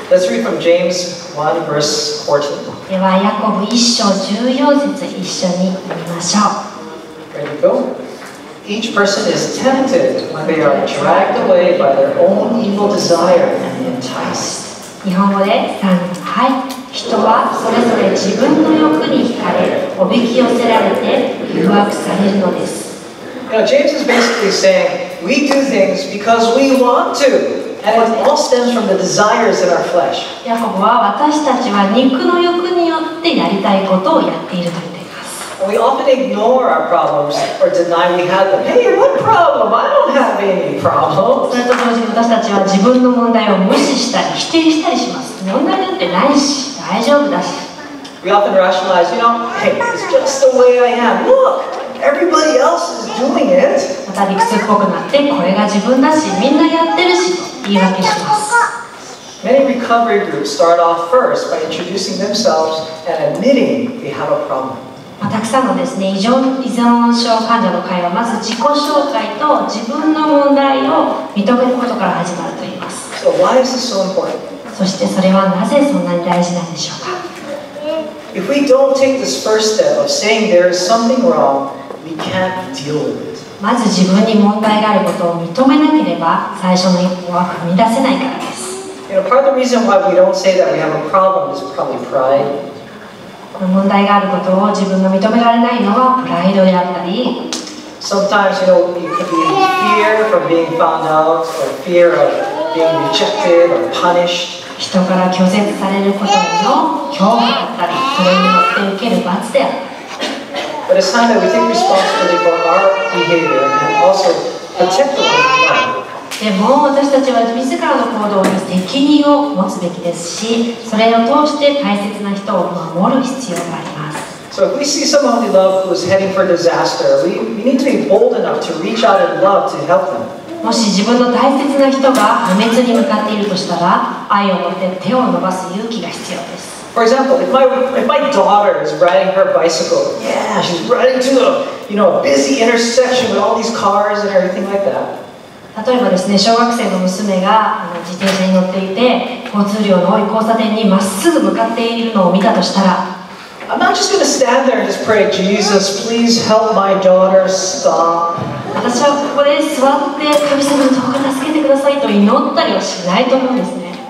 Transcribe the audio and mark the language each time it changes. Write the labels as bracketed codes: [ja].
[en] Let's read from James 1 verse 14. [ja] ではヤコブ1章14節一緒に読みましょう。 [en] Ready to go? Each person is tempted when they are dragged away by their own evil desire and enticed. [ja] 日本語で3、はい。人はそれぞれ自分の欲に惹かれ、おびき寄せられて誘惑されるのです。 [en] Now, James is basically saying, we do things because we want to, and it all stems from the desires in our flesh. [ja] ヤコブは私たちは肉の欲によってやりたいことをやっていると言っています。 [en] We often ignore our problems or deny we have them. Hey, what problem? I don't have any problems. [ja] それと同時に私たちは自分の問題を無視したり否定したりします。問題なんてないし、大丈夫だし。 [en] We often rationalize, you know, hey, it's just the way I am. Look! Everybody else is doing it. [ja] また理屈っぽくなって、これが自分だし、みんなやってるしと言い訳します。 [en] Many recovery groups start off first by introducing themselves and admitting they have a problem. [ja] まあ、たくさんのですね、依存症患者の会はまず自己紹介と自分の問題を認めることから始まると言います。 [en] So why is this so important? [ja] そしてそれはなぜそんなに大事なんでしょうか。 [en] If we don't take this first step of saying there is something wrong, we can't deal with it. [ja] まず自分に問題があることを認めなければ、最初の一歩は踏み出せないからです。 [en] You know, part of the reason why we don't say that we have a problem is probably pride. [ja] この問題があることを自分が認められないのはプライドであったり、 [en] Sometimes, you know, it could be fear from being found out, or fear of being rejected or punished. [ja] 人から拒絶されることの恐怖だったり、それによって受ける罰であったり。 [en] But it's time that we take responsibility for our behavior and also protect the [ja] でも私たちは自らの行動に責任を持つべきですし、それを通して大切な人を守る必要があります。 [en] So if we see someone we love who is heading for disaster, we need to be bold enough to reach out in love to help them. [ja] もし自分の大切な人が破滅に向かっているとしたら、愛を持って手を伸ばす勇気が必要です。 [en] For example, if my daughter is riding her bicycle, yeah, she's riding to a busy intersection with all these cars and everything like that. [ja] 例えばですね、小学生の娘が自転車に乗っていて、交通量の多い交差点にまっすぐ向かっているのを見たとしたら、 [en] I'm not just going to stand there and just pray, Jesus, please help my daughter stop. 私はここで座って神様どうか助けてくださいと祈ったりはしないと思うんですね。